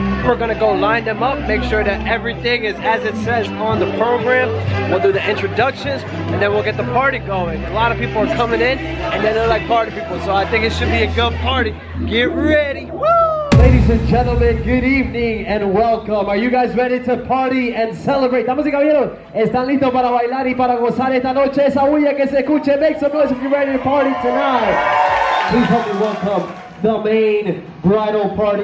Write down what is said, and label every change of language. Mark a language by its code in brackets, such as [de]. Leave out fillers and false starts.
[en] We're gonna go line them up, make sure that everything is as it says on the program. We'll do the introductions and then we'll get the party going. A lot of people are coming in and then they're like party people, so I think it should be a good party. Get ready. Woo! Ladies and gentlemen, good evening and welcome. Are you guys ready to party and celebrate? [es] Damas y caballeros, ¿están listos para bailar y para gozar esta noche? Esa bulla que se escuche, [en] make some noise if you're ready to party tonight. Please help me welcome the main bridal party.